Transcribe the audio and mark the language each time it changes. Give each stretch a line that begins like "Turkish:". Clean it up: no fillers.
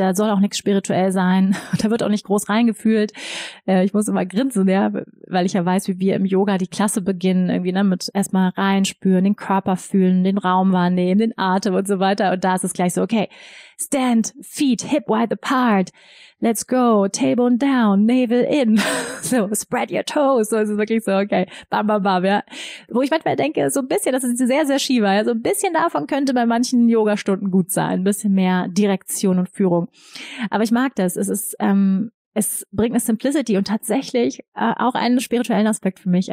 German: Da soll auch nichts spirituell sein. Da wird auch nicht groß reingefühlt. Ich muss immer grinsen, ja, weil ich ja weiß, wie wir im Yoga die Klasse beginnen. Irgendwie, ne, mit erstmal reinspüren, den Körper fühlen, den Raum wahrnehmen, den Atem und so weiter. Und da ist es gleich so, okay,
English: stand, feet, hip wide apart. Let's go, table down, navel in. So, spread your toes.
German: So ist es wirklich so, okay, bam, bam, bam, ja. Wo ich manchmal denke, so ein bisschen, das ist sehr, sehr Shiva, ja, so ein bisschen davon könnte bei manchen Yogastunden gut sein. Ein bisschen mehr Direktion und Führung. Aber ich mag das. Es bringt eine Simplicity und tatsächlich auch einen spirituellen Aspekt für mich.